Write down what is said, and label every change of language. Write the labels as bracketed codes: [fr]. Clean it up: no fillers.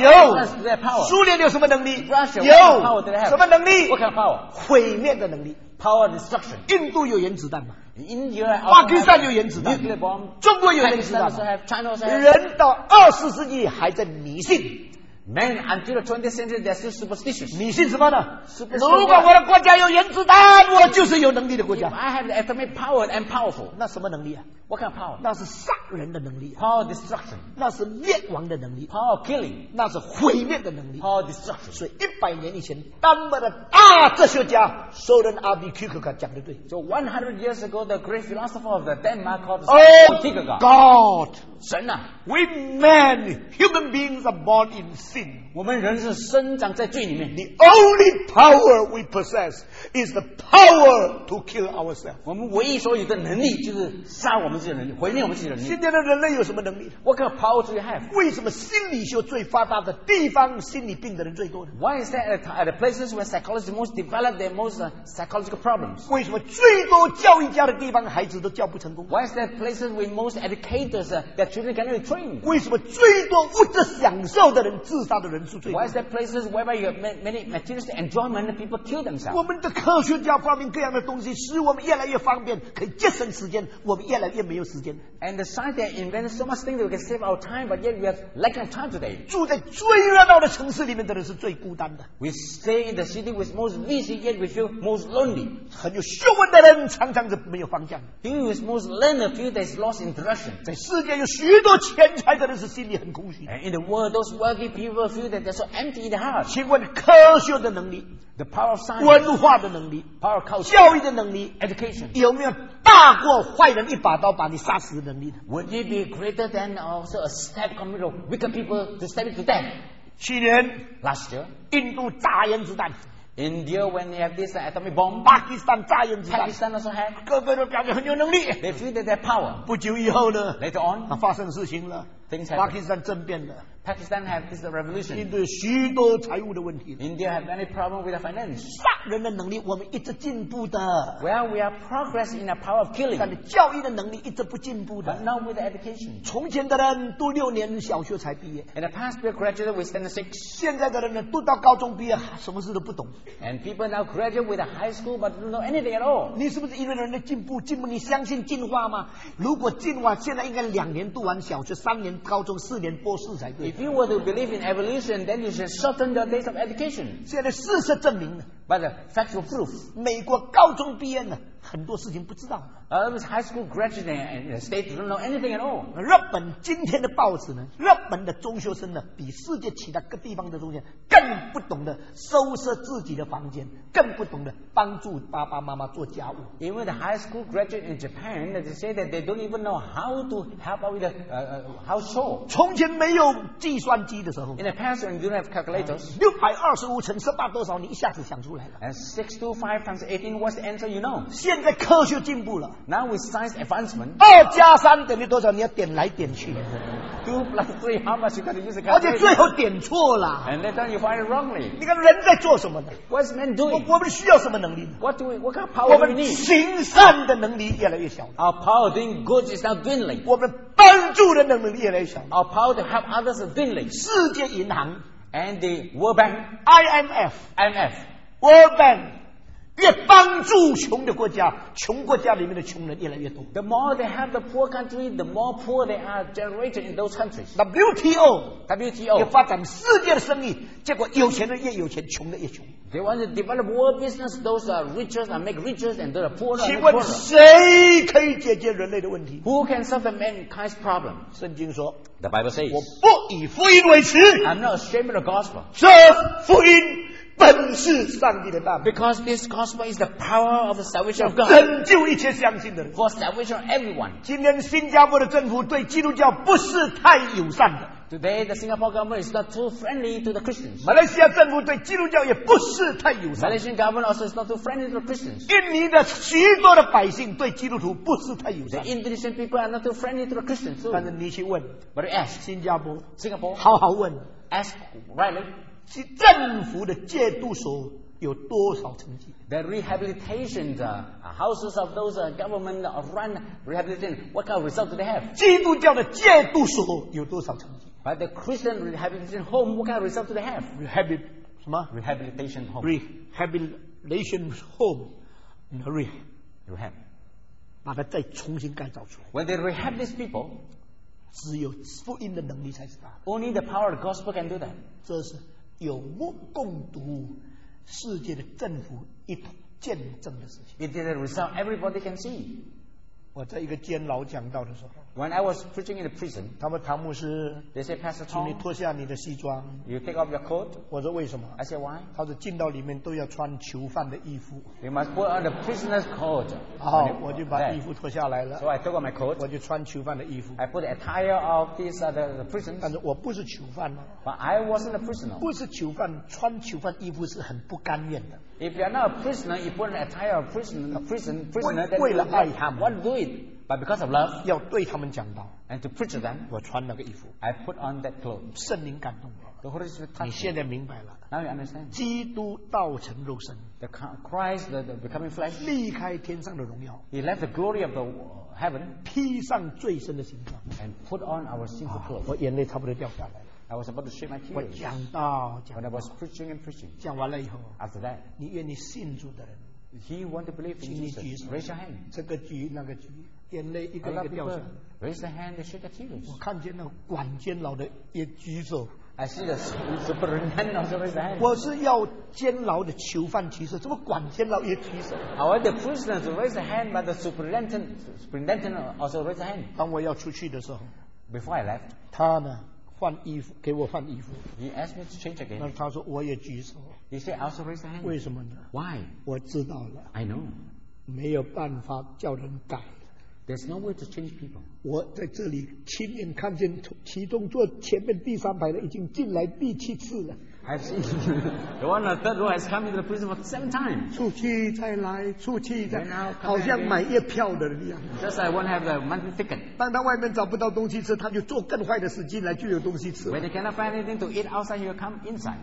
[en] France today have power. [zh] 苏联有什么能力？ [en] Russia. [zh] 有。 [en] Power today have. [zh] 什么能力？ [en] What kind of power? [zh] 毁灭的能力。 [en] Power destruction. [zh] 印度有原子弹吗？ [en] India. [zh] 巴基斯坦有原子弹。 [en] Nuclear bomb. [zh] 中国有原子弹吗？ [en] Pakistan also have. China also have. [zh] 人到二十世纪还在迷信。 [en] Men until the 20th century, they are still superstitious. [zh] 你信什么呢？如果我的国家有原子弹，我就是有能力的国家。 [en] If I have the atomic power and powerful, [zh] 那什么能力啊？ [en] What kind of power? [zh] 那是杀人的能力。 [en] Power destruction. [zh] 那是灭亡的能力。 [en] Power killing. [zh] 那是毁灭的能力。 [en] Power destruction. [zh] 所以一百年以前，丹麦的大哲学家 Søren R.B. Kierkegaard 讲得对。 [en] So 100 years ago, the great philosopher of the Denmark called Søren Kierkegaard. Oh, God! [zh] 神啊！ [en] We men, human beings are born in sin. [zh] 我们人是生长在罪里面。 [en] The only power we possess is the power to kill ourselves. [zh] 我们唯一所有的能力就是杀我们自己的能力，毁灭我们自己的能力。现在的人类有什么能力？ [en] What kind of power do you have? [zh] 为什么心理学最发达的地方，心理病的人最多呢？ [en] Why is that at the places where psychology most developed, their most psychological problems? [zh] 为什么最多教育家的地方，孩子都教不成功？ [en] Why is that places where most educators, their children cannot be trained? [zh] 为什么最多物质享受的人，自杀的人？ [en] Why is there places whereby you have many materialistic enjoyment and people kill themselves? [zh] 我们的科学家发明各样的东西，使我们越来越方便，可以节省时间，我们越来越没有时间。 [en] And the science that invented so much things that we can save our time, but yet we have lack of time today. [zh] 住在最热闹的城市里面的人是最孤单的。 [en] We stay in the city with most busy, yet we feel most lonely. [zh] 很有学问的人常常是没有方向。 [en] He who is most learned feels that he's lost in direction. [zh] 在世界有许多钱财的人是心里很空虚。 [en] And in the world, those wealthy people feel that they're so empty in the heart. [zh] 请问科学的能力 [en] ，the power of science， [zh] 文化的能力 [en] ，power of culture， [zh] 教育的能力 [en] ，education， [zh] 有没有大过坏人一把刀把你杀死的能力 [en] ？Would it be greater than also a stab committed of wicked people to stab you to death？ [zh] 去年 [en] ，last year， [zh] 印度炸原子弹。 [en] India when they have this atomic bomb, [zh] Pakistan 炸原子弹 [en] ，Pakistan also have， [zh] 各国都表示很有能力 [en] ，they feel that they have power。 [zh] 不久以后呢 [en] ，later on， [zh] 发生事情了 [en] ，things happen， [zh] Pakistan 政变了。 [en] Pakistan have this revolution. [zh] 印度有许多财务的问题。 [en] India have any problem with the finance. [zh] 杀人的能力我们一直进步的。 [en] Well, we are progress in the power of killing. [zh] 但教育的能力一直不进步的。 [en] But not with the education. [zh] 从前的人读六年小学才毕业。 [en] In the past, we graduated with standard six. [zh] 现在的人呢，读到高中毕业，什么事都不懂。 [en] And people now graduate with a high school but don't know anything at all. [zh] 你是不是因为人的进步，你相信进化吗？如果进化，现在应该两年读完小学，三年高中，四年博士才对。 [en] If you were to believe in evolution, then you should shorten the days of education. [zh] 现在事实证明了。 [en] But the factual proof. [zh] 美国高中毕业了，很多事情不知道。 [en] High school graduate and the state don't know anything at all. [zh] 日本今天的报纸呢，日本的中学生呢，比世界其他各地方的中学生更不懂得收拾自己的房间，更不懂得帮助爸爸妈妈做家务。因为 [en] the high school graduate in Japan, they say that they don't even know how to help out with the household. [zh] 从前没有计算机的时候 [en] ，in the past when you don't have calculators, [zh] 625乘18多少，你一下子想出来了。 [en] And 625 times 18, what's the answer you know? [zh] 现在科学进步了。 [en] Now with science advancement, [zh] 二加三等于多少？你要点来点去。 [en] Two plus three, how much you got to use the calculator? [zh] 而且最后点错了。 [en] And then you find it wrongly. [zh] 你看人在做什么呢 [en] ？What's man doing? [zh] 我们需要什么能力 [en] ？What do we? What kind of power do we need? [zh] 我们行善的能力越来越小。 [en] Our power doing good is now dwindling. [zh] 我们帮助的能力越来越小。 [en] Our power to help others is dwindling. [zh] 世界银行 [en] and the World Bank, IMF, IMF, World Bank. [zh] 越帮助穷的国家，穷国家里面的穷人越来越多。 [en] The more they have the poor country, the more poor they are generated in those countries. [zh] WTO 也发展世界的生意，结果有钱的越有钱，穷的越穷。 [en] They want to develop world business. Those are richer and make richer, and those are poorer. [zh] 请问谁可以解决人类的问题 [en] ？Who can solve the mankind's problem? [zh] 圣经说 [en] ，The Bible says, [zh] 我不以福音为耻。 [en] I'm not ashamed of the gospel. [zh] 这福音。本是上帝的大能 [en] ，because this gospel is the power of the salvation of God， [zh] 拯救一切相信的人 [en] ，for salvation of everyone。 [zh] 今天新加坡的政府对基督教不是太友善的 [en] ，today the Singapore government is not too friendly to the Christians。 [zh] 马来西亚政府对基督教也不是太友善 [en] ，Malaysian government also is not too friendly to the Christians。 [zh] 印尼的许多的百姓对基督徒不是太友善 [en] ，the Indonesian people are not too friendly to the Christians。 [zh] 但是你去问 [en] ，but ask [zh] 新加坡 [en] ，Singapore [zh] 好好问 [en] ，ask rightly。 [zh] 政府的戒毒所有多少成绩 [en] ？The rehabilitation the houses of those government of run rehabilitation, what kind of result do they have? [zh] 基督教的戒毒所有多少成绩 [en] ？By the Christian rehabilitation home, what kind of result do they have? Rehabilitation home. Rehabilitation home, no rehab. [zh] 把它再重新改造出来。 [en] When they rehab these people, [zh] 只有福音的能力才是大。 [en] Only the power of the gospel can do that. [zh] 这是。有目共睹，世界的政府一同见证的事情。 [en] It is a result everybody can see. [zh] 我在一个监牢讲道的时候 [en] ，When I was preaching in the prison, [zh] 他们唐牧师 [en] ，They say Pastor Tom, [zh] 你脱下你的西装 [en] ，You take off your coat. [zh] 我说为什么 [en] ？I said why. [zh] 他说进到里面都要穿囚犯的衣服。 [en] You must put on the prisoner's coat. [zh] 好，我就把衣服脱下来了。 [en] So I took off my coat. [zh] 我就穿囚犯的衣服。 [en] I put the attire of these other the prison. [zh] 但是我不是囚犯哦。 [en] But I wasn't a prisoner. [zh] 不是囚犯，穿囚犯衣服是很不甘愿的。 [en] If you are not a prisoner, you put an attire of prisoner, [zh] 为了爱他们 [en] ，what do it? But because of love, [zh] 要对他们讲道 [en] ，and to preach to them, [zh] 我穿那个衣服 [en] ，I put on that cloth. [zh] 圣灵感动我 [en] ，the Holy Spirit. [zh] 你现在明白了 [en] ，now you understand. [zh] 基督道成肉身 [en] ，the Christ the becoming flesh. [zh] 离开天上的荣耀 [en] ，he left the glory of the heaven. [zh] 披上最深的形状 [en] ，and put on our sinful clothes. [zh] 我眼泪差不多掉下来了。 [en] I was about to shed my tears. [zh] 我讲到讲到 [en] When I was preaching and preaching. [zh] 讲完了以后 [en] After that, [zh] 你愿意信主的人 [en] He want to believe in Jesus. Raise your hand. [zh] 这个举那个举眼泪一个一个掉下来 [en] Raise the hand and shed the tears. [zh] 我看见那管监牢的也举手 [en] I see the superintendent also raise the hand. [zh] 我是要监牢的囚犯举手怎么管监牢也举手 [en] I want the prisoner to raise the hand but the superintendent also raise the hand. [zh] 当我要出去的时候 [en] Before I left. [zh] 他呢换衣服，给我换衣服。 [en] He asked me to change again. [zh] 那他说我也举手。 [en] He said I also raise the hand. [zh] 为什么呢 [en] ？Why？ [zh] 我知道了。 [en] I know. [zh] 没有办法叫人改。 [en] There's no way to change people. [zh] 我在这里亲眼看见其中坐前面第三排的已经进来第七次了。 [en] I've seen the one in the third row has come into the prison for 7 times. [zh] 出去再来，出去再来，好像买月票的一样。 [en] Just like one have the monthly ticket. [zh] 当他外面找不到东西吃，他就做更坏的事，进来就有东西吃。 [en] When you cannot find anything to eat outside, you come inside.